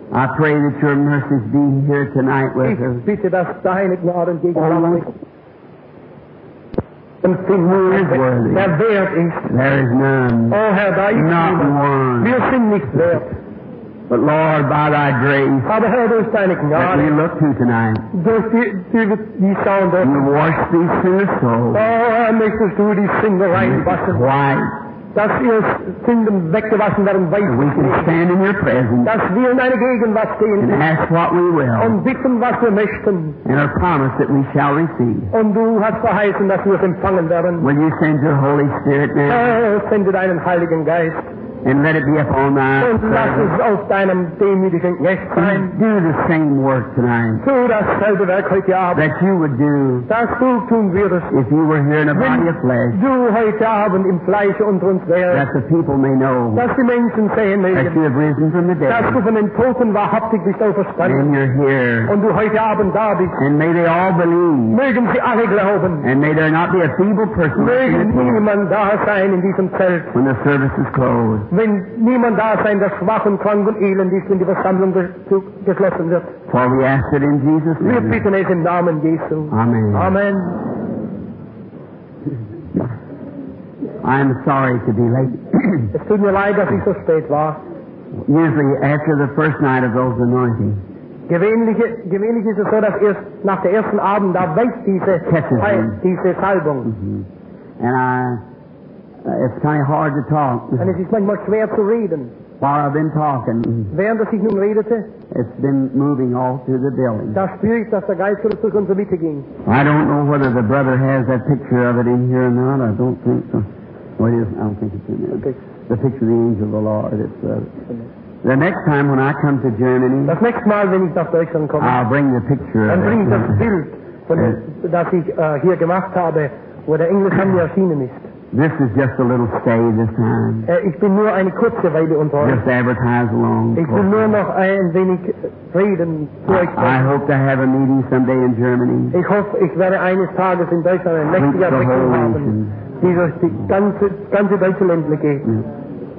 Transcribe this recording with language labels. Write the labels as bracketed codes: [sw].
[en] I pray that your mercies be here tonight with [de] ich [en] us. [de] Ich bitte, dass deine Gnade und Gegenwart. [en] There is none. [de] Oh, Herr, da ist [en] not sin. One. [de] Wir sind nicht wert. [en] But Lord, by thy grace, [de] Father, Herr, durch deine Gnade, [en] let me look to tonight. [de] Durch die [en] sound of you wash these sinner's souls. [de] Oh, Herr, möchte du die Sünden reinwaschen. [en] Why? [de] Dass ihr Sünden weggewaschen werden, weiß [en] we can stand in your presence. [de] Dass wir in deiner Gegenwart stehen. [en] And ask what we will. [de] Und bitten, was wir möchten. [en] And are promised that we shall receive. [de] Und du hast verheißen, dass wir es empfangen werden. [en] Will you send your Holy Spirit now? [de] Sende deinen Heiligen Geist. [en] And let it be upon thy [de] Und lass es auf deinem demütigen Knecht sein. [en] Do the same work tonight. [de] Tu dasselbe Werk heute Abend. [en] That you would do. [de] Dass du tun würdest. [en] If you were here in a body of flesh. [de] Du heute Abend im Fleisch unter uns wärst. [en] That the people may know. [de] Dass die Menschen sehen mögen. [en] That you have risen from the dead. [de] Dass du von den Toten wahrhaftig bist auferstanden. [en] And you're here. [de] Und du heute Abend da bist. [en] And may they all believe. [de] Mögen sie alle glauben. [en] And may there not be a feeble person. [de] Mögen niemand da sein in diesem Zelt. [en] When the service is closed. [de] Wenn niemand da sein, der schwach und krank und elend ist, wenn die Versammlung geschlossen wird. [en] For we ask it in Jesus' name. [de] Wir bitten es im Namen Jesu. [en] Amen. [de] Amen. [en] I am sorry to be late. [de] Es tut mir leid, dass ich so spät war. [en] Usually after the first night of those anointing. [de] Gewöhnlich ist es so, dass erst nach der ersten Abend da weicht diese Salbung. [en] Mm-hmm. And I... it's kind of hard to talk. And it is much schwer to read. While I've been talking. [de] Während ich nun redete. [en] It's been moving all through the building. [de] Das Spirit, das der Geist wird zu uns mitgehen. [en] I don't know whether the brother has that picture of it in here or not. I don't think so. What is? I don't think it's in there. The picture of the angel of the Lord. It's the next time when I come to Germany. [de] Das nächste Mal, wenn ich nach Deutschland komme. [en] I'll bring the picture. And of bring it. [de] Das Bild, das ich hier gemacht habe, wo der Engel von mir erschienen ist. [en] This is just a little stay this time. [de] Ich bin nur eine kurze Weile unter euch. [en] Just advertise along. [de] Ich will nur noch ein wenig reden. [en] I hope to have a meeting someday in Germany. [de] Ich hoffe, ich werde eines Tages in Deutschland ein mächtiger Begegnung haben. Die durch die ganze Deutschland geht. Yeah.